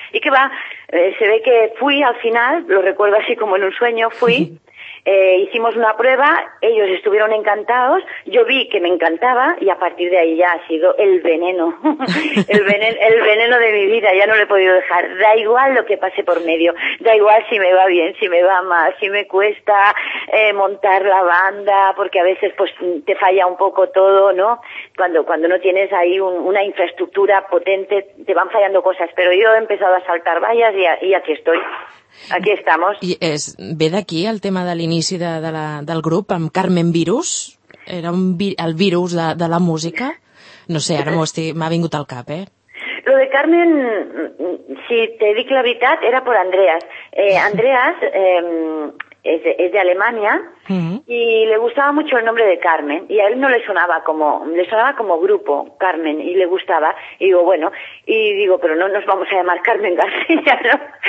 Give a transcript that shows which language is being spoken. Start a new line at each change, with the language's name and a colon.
Spanish: Y que va, se ve que fui al final, lo recuerdo así como en un sueño, fui, hicimos una prueba, ellos estuvieron encantados, yo vi que me encantaba y a partir de ahí ya ha sido el veneno, el veneno de mi vida, ya no lo he podido dejar, da igual lo que pase por medio, da igual si me va bien, si me va mal, si me cuesta montar la banda, porque a veces pues te falla un poco todo, ¿no? Cuando no tienes ahí una infraestructura potente, te van fallando cosas, pero yo he empezado a saltar vallas y aquí estoy. Aquí estamos.
Catalan: I és ve d'aquí el tema de l'inici del grup amb Carmen Virus. Era el virus de la música. No sé, ara m'ha vingut al cap, eh?
Spanish: Lo de Carmen,
Catalan: si te dic la veritat,
Spanish: era por Andreas. Andreas es de Alemania, uh-huh. Y le gustaba mucho el nombre de Carmen y a él no le sonaba como grupo Carmen y le gustaba y digo, bueno, y digo, pero no nos vamos a llamar Carmen García, ¿no?